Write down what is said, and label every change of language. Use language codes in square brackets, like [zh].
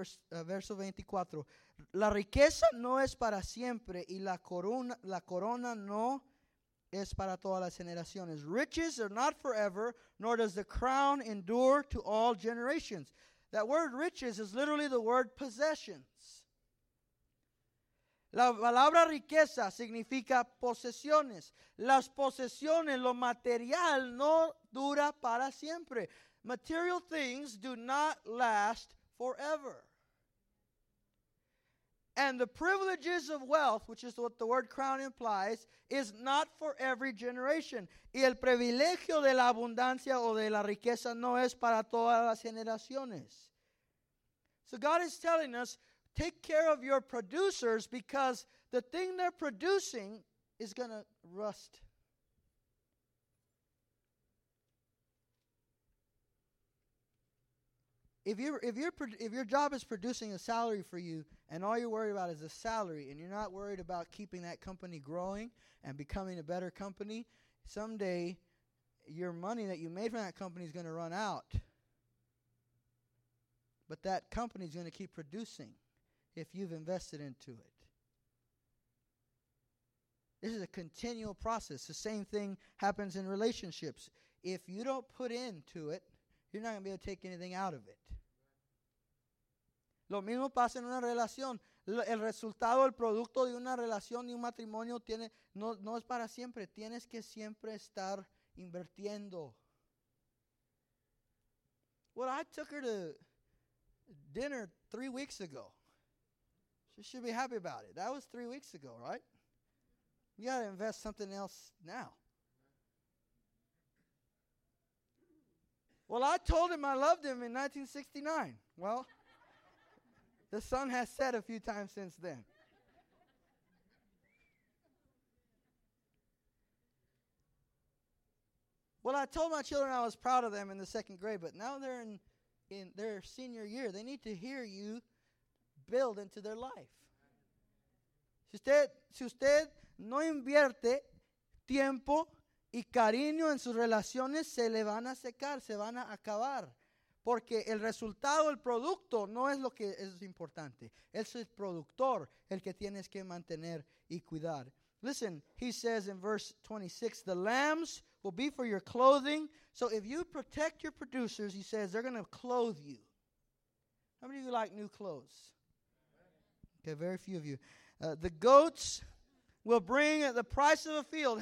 [es] Verso 24. La riqueza no es para siempre y la corona no es para todas las generaciones. [en] Riches are not forever, nor does the crown endure to all generations. That word riches is literally the word possessions. [es] La palabra riqueza significa posesiones. Las posesiones, lo material, no dura para siempre. [en] Material things do not last forever. And the privileges of wealth, which is what the word crown implies, is not for every generation. [es] Y el privilegio de la abundancia o de la riqueza no es para todas las generaciones. [en] So God is telling us, take care of your producers because the thing they're producing is going to rust. If your job is producing a salary for you and all you're worried about is a salary and you're not worried about keeping that company growing and becoming a better company, someday your money that you made from that company is going to run out. But that company is going to keep producing if you've invested into it. This is a continual process. The same thing happens in relationships. If you don't put into it, you're not going to be able to take anything out of it. [es] Lo mismo pasa en una relación. El resultado, el producto de una relación, de un matrimonio, tiene, no es para siempre. Tienes que siempre estar invirtiendo. [en] Well, I took her to dinner 3 weeks ago. She should be happy about it. That was 3 weeks ago, right? You got to invest something else now. Well, I told him I loved him in 1969. Well, the sun has set a few times since then. Well, I told my children I was proud of them in the second grade, but now they're in their senior year. They need to hear you build into their life. [es] Si usted no invierte tiempo y cariño en sus relaciones, se le van a secar, se van a acabar. Porque el resultado, el producto, no es lo que es importante. Es el productor el que tienes que mantener y cuidar. [en] Listen, he says in verse 26, the lambs will be for your clothing. So if you protect your producers, he says, they're going to clothe you. How many of you like new clothes? Okay, very few of you. The goats will bring the price of a field.